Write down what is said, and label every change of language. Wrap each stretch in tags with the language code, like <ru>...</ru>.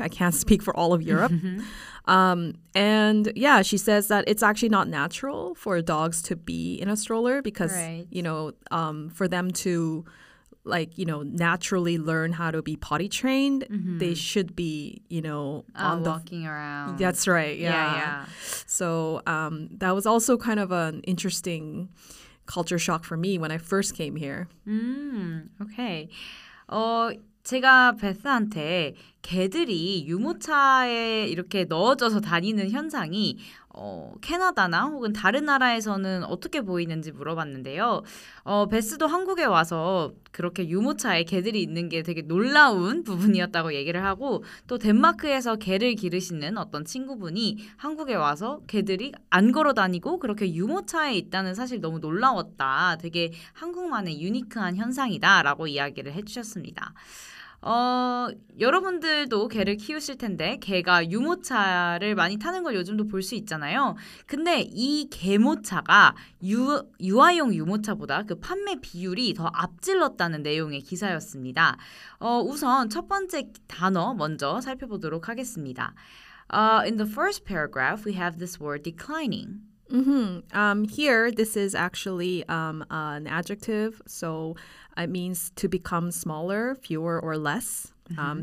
<en>I can't speak for all of Europe. And she says that it's actually not natural for dogs to be in a stroller because, right, you know, for them to, like, you know, naturally learn how to be potty trained, mm-hmm, they should be, you know, walking around. That's right. Yeah. So that was also kind of an interesting culture shock for me when I first came here. Okay.</en> <ko>제가 베스한테 개들이 유모차에 이렇게 넣어져서 다니는 현상이 캐나다나 혹은 다른 나라에서는 어떻게 보이는지 물어봤는데요. 베스도 한국에 와서 그렇게 유모차에 개들이 있는 게 되게 놀라운 부분이었다고 얘기를 하고, 또 덴마크에서 개를 기르시는 어떤 친구분이 한국에 와서 개들이 안 걸어 다니고 그렇게 유모차에 있다는 사실 너무 놀라웠다. 되게 한국만의 유니크한 현상이다 라고 이야기를 해주셨습니다. 여러분들도 개를 키우실 텐데 개가 유모차를 많이 타는 걸 요즘도 볼 수 있잖아요. 근데 이 개모차가 유아용 유모차보다 그 판매 비율이 더 앞질렀다는 내용의 기사였습니다. 우선 첫 번째 단어 먼저 살펴보도록 하겠습니다.</ko> <en>In the first paragraph, we have this word declining. Mm-hmm. Here, this is actually an adjective, so it means to become smaller, fewer, or less. Mm-hmm.</en>